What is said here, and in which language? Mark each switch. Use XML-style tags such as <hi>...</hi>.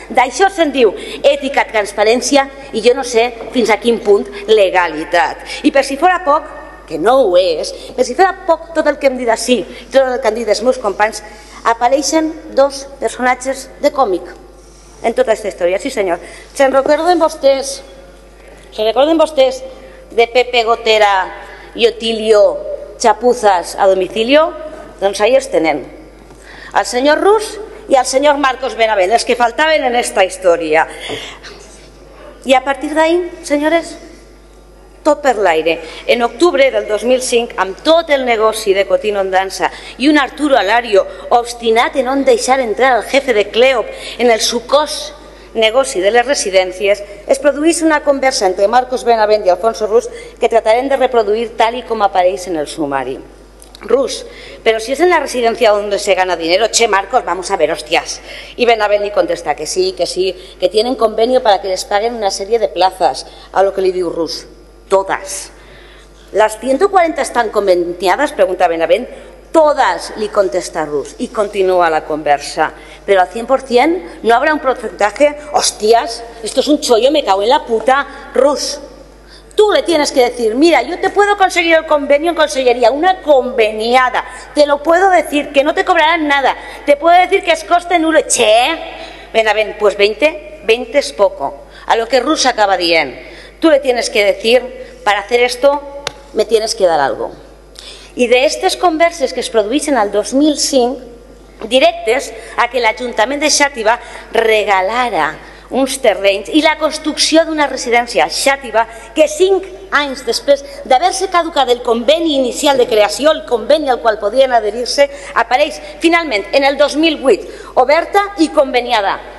<ca>D'això se'n diu ètica, transparència i jo no sé fins a quin punt legalitat. I per si fora poc, que no ho és, per si fora poc tot el que hem dit així, tot el que han dit els meus companys, apareixen dos personatges de còmic en tota aquesta història. Sí, senyor. Se'n recorden vostès?</ca> <es>¿Se recuerden vostès de Pepe Gotera y Otilio Chapuzas a domicilio?</es> <ca>Doncs ahí els tenen. Al senyor Rus i al senyor Marcos Benavent, els que faltaven en esta història. I a partir d'ahí, senyores, tot per l'aire. En octubre del 2005, amb tot el negoci de Cotino en dansa i un Arturo Alario obstinat en no deixar entrar el jefe de Cleop en el sucós negoci de les residències, es produeix una conversa entre Marcos Benavent i Alfonso Rus que tractarem de reproduir tal i com apareix en el sumari.</ca> <es>Rus,</es> <ca>però si és en la residència on</ca> <es>se gana dinero, che Marcos, vamos a ver, hostias.</es> <ca>I Benavent li contesta que sí, que sí, que</ca> <es>tienen convenio para que les paguen</es> <ca>una sèrie de places,</ca> <es>a lo que</es> <ca>li diu Rus,</ca> <es>todas. Las 140 están conveniadas, pregunta Benavent. Todas,</es> <ca>li contesta Rus, i continua la conversa. Però al 100% no hi haurà un percentatge?</ca> <es>Hostias, esto es un chollo, me cago en la puta. Rus, tú le tienes que decir, mira, yo te puedo conseguir el convenio en consellería, una conveniada, te lo puedo decir, que no te cobrarán nada, te puedo decir que es coste nulo. Che, ven a ven, pues 20, 20 es poco. A lo que Rus</es> <ca>acaba dient,</ca> <es>tú le tienes que decir, para hacer esto me tienes que dar algo.</es> <ca>I d'aquestes converses que es produeixen al 2005, directes a que l'Ajuntament de Xàtiva regalara uns terrenys i la construcció d'una residència a Xàtiva que 5 anys després d'haver-se caducat el conveni inicial de creació, el conveni al qual podien adherir-se, apareix finalment en el 2008 oberta i conveniada.</ca>